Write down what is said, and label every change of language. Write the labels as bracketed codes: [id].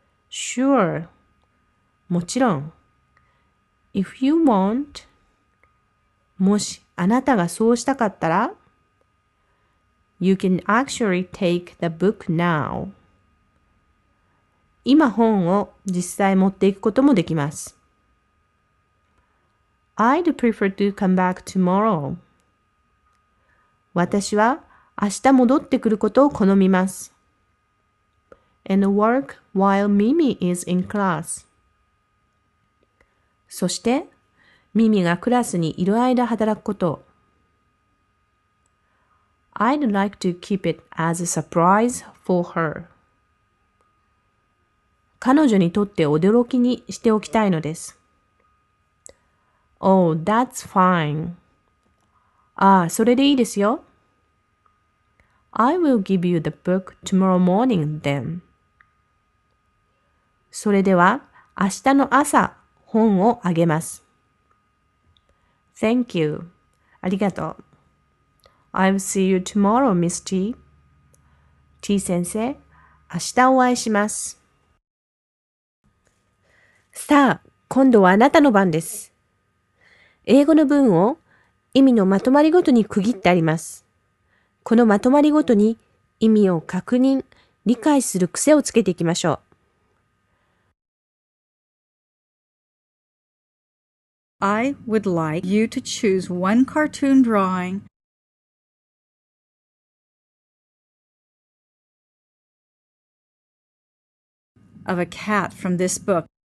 [en] Sure. [ja] もちろん。 [en] If you want, [ja] もしあなたがそうしたかったら、 [en] You can actually take the book now. [ja] 今本を実際持っていくこともできます。 [en] I'd prefer to come back tomorrow. [ja] 私は明日戻ってくることを好みます。 [en] And work while Mimi is in class. [ja] そして、ミミがクラスにいる間働くこと。 [en] I'd like to keep it as a surprise for her. [ja] 彼女にとって驚きにしておきたいのです。 [en] Oh, that's fine. [ja] ああ、それでいいですよ。 [en] I will give you the book tomorrow morning then. [ja] それでは、明日の朝、本をあげます。 [en] Thank you. [ja] ありがとう。 [en] I'll see you tomorrow, Miss T. [ja] T 先生、明日お会いします。さあ、今度はあなたの番です。英語の文を意味のまとまりごとに区切ってあります。このまとまりごとに意味を確認、理解する癖をつけていきましょう。 [en] I would like you to choose one cartoon drawing. Of a cat from this book.